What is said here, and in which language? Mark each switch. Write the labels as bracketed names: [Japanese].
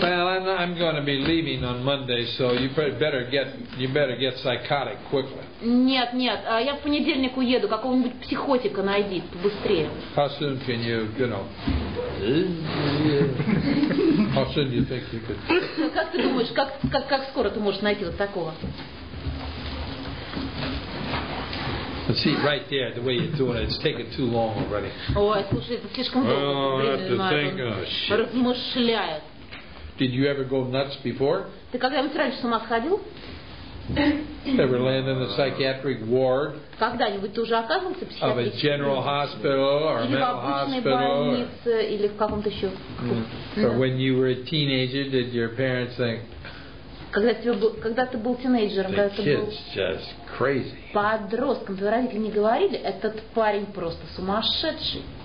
[English] Well, I'm going to be leaving on Monday, so you better get psychotic quickly. [Russian] Нет, нет, я в понедельник уеду. Какого-нибудь психотика найди быстрее. [English] How soon can you, you know? How soon do you think you could? [Russian] Как ты думаешь, как скоро ты можешь найти вот такого? [English] But see, right there, the way you're doing it, it's taking too long already. [Russian] Oh, слушай, это слишком долго. Размышляет. [English] Did you ever go nuts before? [Russian] Ты когда-нибудь раньше с ума сходил? [English] Ever land in a psychiatric ward? [Russian] Когда-нибудь ты уже оказывался в психиатрическом? [English] Of a general hospital or a mental hospital? [Russian] Или в обычной больнице, или в каком-то еще. [English] Or when you were a teenager, did your parents think? [Russian] Когда ты был тинейджером, когда ты был [English] just crazy. [Russian] Подростком, твои родители не говорили, этот парень просто сумасшедший.